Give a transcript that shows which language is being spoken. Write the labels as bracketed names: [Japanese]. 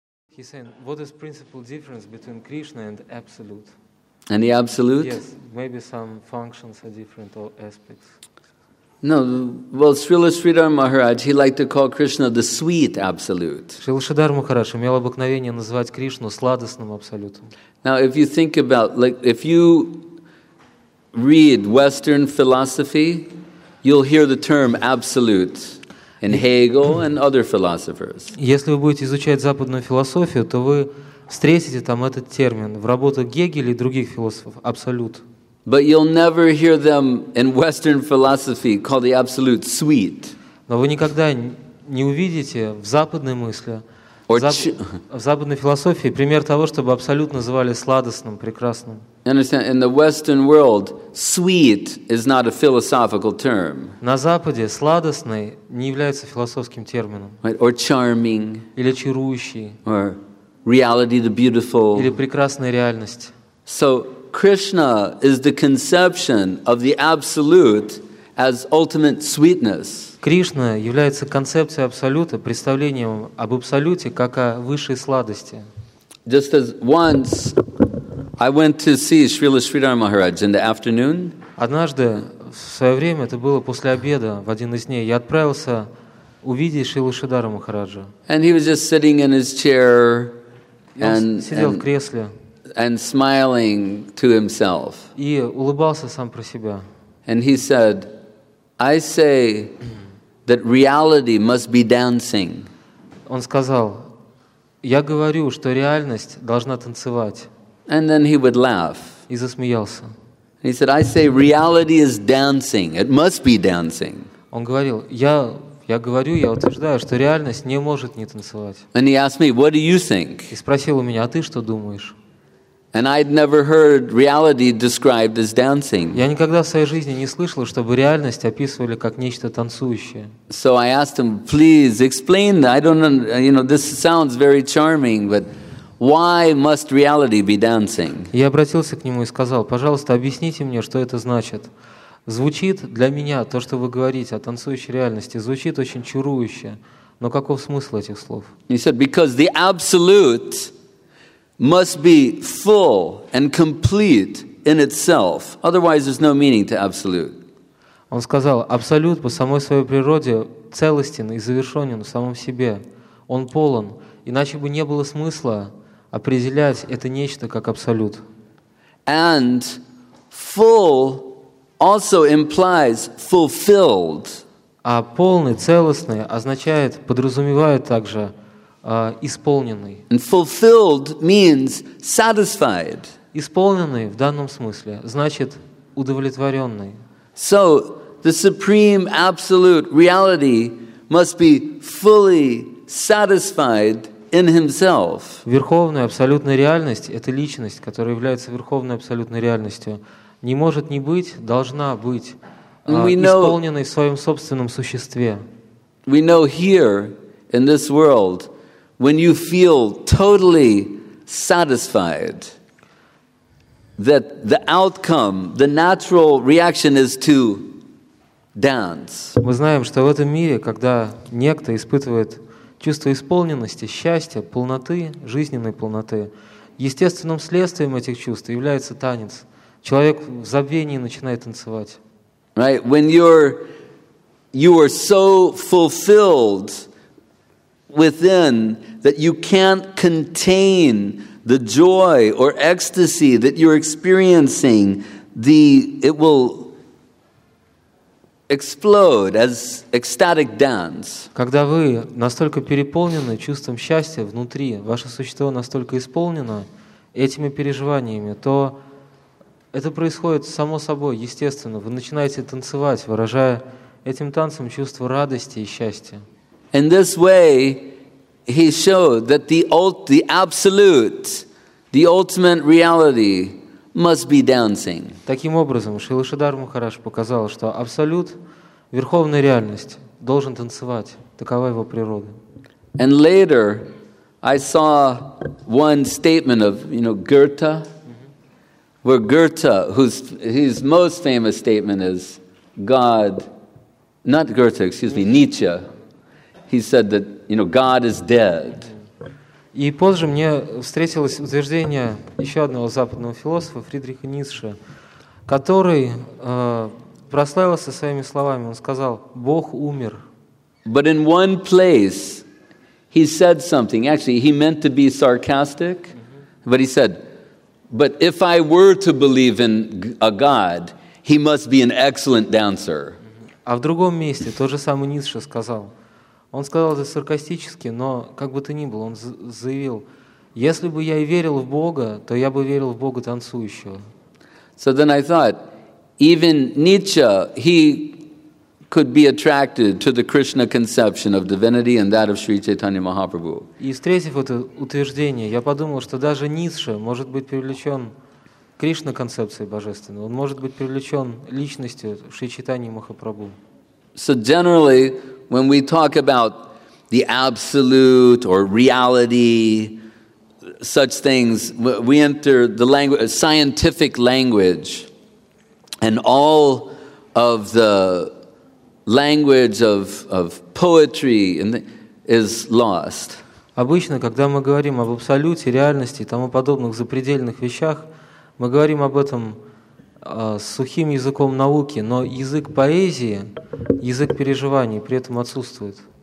[English] He's saying, what is the principal difference between Krishna and Absolute? And the Absolute? Yes, maybe some functions are different or aspects. No, well, Srila Sridhar Maharaj, he liked to call Krishna the sweet Absolute. [Russian] Srila Sridhar Maharaj имел обыкновение называть Кришну сладостным Абсолютом. [English] Now, if you think about, like, if you read Western philosophy, you'll hear the term Absolute in Hegel and other philosophers. [Russian] Если вы будете изучать западную философию, то вы встретите там этот термин в работах Гегеля и других философов Абсолют. [English] But you'll never hear them in Western philosophy call the absolute sweet. [Russian] Но вы никогда не увидите в западной мысли, в западной философии пример того, чтобы абсолют называли сладостным, прекрасным. [English] Understand? In the Western world, sweet is not a philosophical term. [Russian] На Западе сладостный не является философским термином. [English] Right? Or charming. [Russian] Или чарующий. [English] Or reality, the beautiful. [Russian] Или прекрасная реальность. [English] So Krishna is the conception of the absolute as ultimate sweetness. [Russian] Кришна является концепцией абсолюта, представлением об абсолюте как о высшей сладости. [English] Just as once I went to see Srila Sridhar Maharaj in the afternoon. [Russian] Однажды в свое время, это было после обеда, в один из дней, я отправился увидеть Шрилу Шридхара Махараджа. [English] And he was just sitting in his chair and [Russian] сидел в кресле. [English] And smiling to himself. [Russian] И улыбался сам про себя. [English] And he said, "I say that reality must be dancing." [Russian] Он сказал, я говорю, что реальность должна танцевать. [English] And then he would laugh. [Russian] И засмеялся. [English] He said, "I say reality is dancing. It must be dancing." [Russian] Он говорил, я говорю, я утверждаю, что реальность не может не танцевать. [English] And he asked me, "What do you think?" [Russian] И спросил у меня, а ты что думаешь? [English] And I'd never heard reality described as dancing. [Russian] Я никогда в своей жизни не слышал, чтобы реальность описывали как нечто танцующее. [English] So I asked him, "Please explain that. I don't know, you know, this sounds very charming, but why must reality be dancing?" [Russian] Я обратился к нему и сказал: "Пожалуйста, объясните мне, что это значит. Звучит для меня то, что вы говорите о танцующей реальности, звучит очень чарующе. Но каков смысл этих слов?" [English] He said, "Because the absolute must be full and complete in itself. Otherwise, there's no meaning to absolute." [Russian] Он сказал, абсолют по самой своей природе целостен и завершен в самом себе. Он полон. Иначе бы не было смысла определять это нечто как абсолют. [English] And full also implies fulfilled. [Russian] А полный, целостный означает, подразумевает также исполненный. [English] And fulfilled means satisfied. [Russian] Исполненный в данном смысле значит удовлетворенный. [English] So the supreme absolute reality must be fully satisfied in himself. [Russian] Верховная абсолютная реальность — это личность, которая является верховной абсолютной реальностью, не может не быть, должна быть исполненной в своем собственном существе. [English] We know here in this world. When you feel totally satisfied, that the outcome, the natural reaction is to dance. [Russian] Мы знаем, что в этом мире, когда некто испытывает чувство исполненности, счастья, полноты, жизненной полноты, естественным следствием этих чувств является танец. Человек в забвении начинает танцевать. [English] Right? When you are so fulfilled within that you can't contain the joy or ecstasy that you're experiencing, it will explode as ecstatic dance. [Russian] Когда вы настолько переполнены чувством счастья внутри, ваше существо настолько исполнено этими переживаниями, то это происходит само собой, естественно. Вы начинаете танцевать, выражая этим танцем чувство радости и счастья. [English] In this way, he showed that the absolute, the ultimate reality, must be dancing. [Russian] Таким образом, Шрила Шридхар Махарадж показал, что абсолют, верховная реальность, должен танцевать. Такова его природа. [English] And later, I saw one statement of, you know, Goethe, where Goethe, his most famous statement is, "God," not Goethe, excuse me, Nietzsche. He said that, you know, God is dead. [Russian] И позже мне встретилось утверждение еще одного западного философа Фридриха Ницше, который прославился своими словами. Он сказал: «Бог умер». [English] But in one place he said something. Actually, he meant to be sarcastic, but he said, "But if I were to believe in a God, he must be an excellent dancer." [Russian] А в другом месте тот же самый Ницше сказал. Он сказал это саркастически, но как бы то ни было, он заявил: если бы я и верил в Бога, то я бы верил в Бога танцующего. [English] So then I thought, even Nietzsche, he could be attracted to the Krishna conception of divinity and that of Sri Chaitanya Mahaprabhu. [Russian] И встретив это утверждение, я подумал, что даже Ницше может быть привлечен Кришна концепцией божественной. Он может быть привлечен личностью Шри Чайтаньи Махапрабху. [English] So generally, when we talk about the absolute or reality, such things, we enter the language, scientific language, and all of the language of poetry is lost. [Russian] Обычно, когда мы говорим об абсолюте, реальности и тому подобных запредельных вещах, мы говорим об этом сухим языком науки, но язык поэзии, язык переживаний при этом отсутствует.